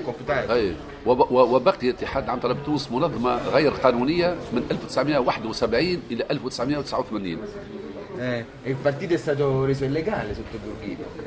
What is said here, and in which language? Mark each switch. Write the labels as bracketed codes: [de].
[it] cooptato. [ar] وبقي الاتحاد العام لطلبة تونس منظمة غير قانونية من 1971 إلى 1989. [it] Il partito è stato reso illegale sotto Bourguiba.